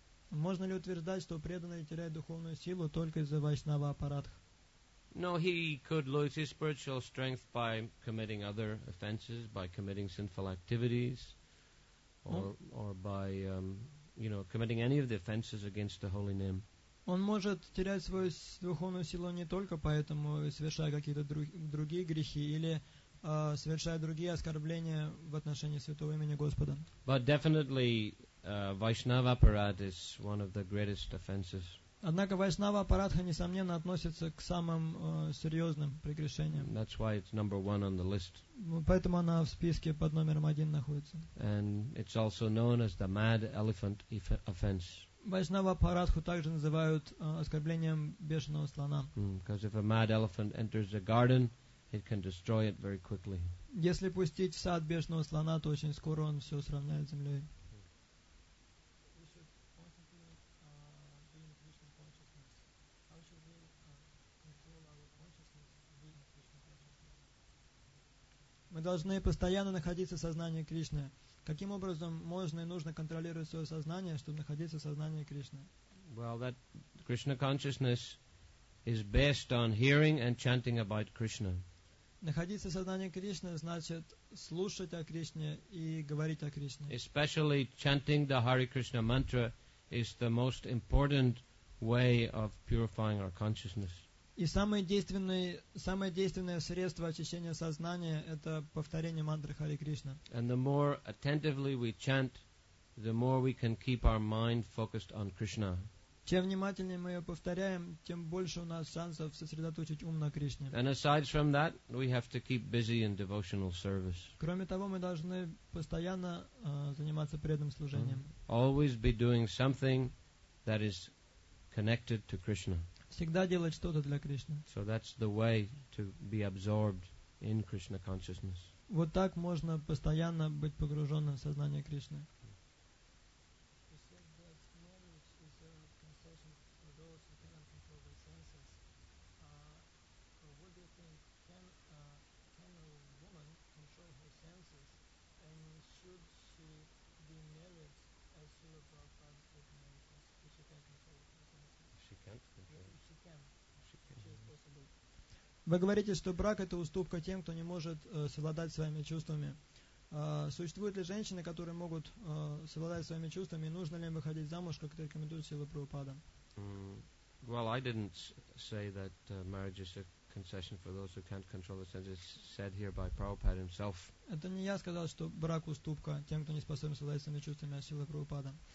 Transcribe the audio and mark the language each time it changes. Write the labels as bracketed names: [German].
[Russian] Можно ли утверждать, что преданный теряет духовную силу только из-за вайшнава аппаратх? [English] No, he could lose his spiritual strength by committing other offenses, by committing sinful activities, or by you know, committing any of the offenses against the holy name. [Russian] Он может терять свою духовную силу не только поэтому, совершая какие-то другие грехи или совершая другие оскорбления в отношении святого имени Господа. [English] But definitely Vaishnava aparat is one of the greatest offenses. [Russian] Однако Vaishnava aparatha несомненно относится к самым серьезным прегрешениям. [English] That's why it's number one on the list. [Russian] Поэтому она в списке под номером один находится. [English] And it's also known as the mad elephant offense. [Russian] Vaishnava aparatha также называют оскорблением бешеного слона. [English] Because if a mad elephant enters a garden, it can destroy it very quickly. [Russian] Если пустить в сад бешеного слона, то очень скоро он все сравняет с землей. Мы должны постоянно находиться в сознании Кришны. Каким образом можно и нужно контролировать свое сознание, чтобы находиться в сознании Кришны? [English] Well, that Krishna consciousness is based on hearing and chanting about Krishna. [Russian] Находиться в сознании Кришны значит слушать о Кришне и говорить о Кришне. [English] Especially chanting the Hare Krishna mantra is the most important way of purifying our consciousness. [Russian] И самое действенное средство очищения сознания – это повторение мантры Хари Кришна. [English] And the more attentively we chant, the more we can keep our mind focused on Krishna. [Russian] Чем внимательнее мы ее повторяем, тем больше у нас шансов сосредоточить ум на Кришне. [English] And aside from that, we have to keep busy in devotional service. [Russian] Кроме того, мы должны постоянно заниматься преданным служением. [English] Always be doing something that is connected to Krishna. [Russian] Всегда делать что-то для Кришны. [English] So that's the way to be absorbed in Krishna consciousness. [Russian] Вот так можно постоянно быть погруженным в сознание Кришны. Вы говорите, что брак — это уступка тем, кто не может совладать своими чувствами. Существуют ли женщины, которые могут совладать своими чувствами? Нужно ли им выходить замуж, как это рекомендует Сила Прабхупада? [English] Well, I didn't say that marriage is a concession for those who can't control the senses. It's said here by Prabhupada himself. [Russian] Это не я сказал, что брак уступка тем, кто не способен совладать своими чувствами, а сила Прабхупада.